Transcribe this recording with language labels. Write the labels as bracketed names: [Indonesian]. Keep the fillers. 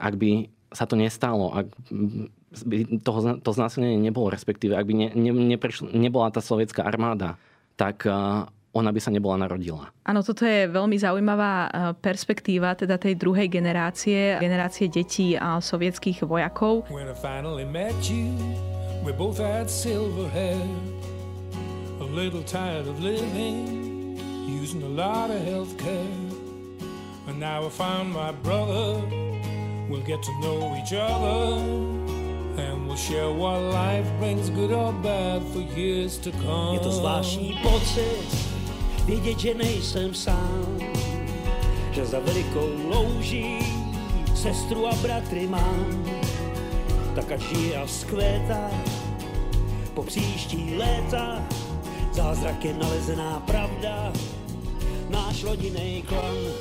[Slovak] Ak by sa to nestalo, ak by toho, to znásilnenie nebolo, respektíve ak by ne, ne, neprešlo, nebola tá sovietská armáda, tak ona by sa nebola narodila. Áno, toto je veľmi zaujímavá perspektíva teda tej druhej generácie, generácie detí a sovietských vojakov. [English] We both had silver hair, a little tired of living, using a lot of health care. And now I found my brother, we'll get to know each other, and we'll share what life brings, good or bad, for years to come. [Czech] Je to z vaší poce, vidět, že nejsem sám, že za velikou louží sestru a bratry mám. tak až žije a zkvéta. Po příští léta zázrak je nalezená pravda, náš rodinný klan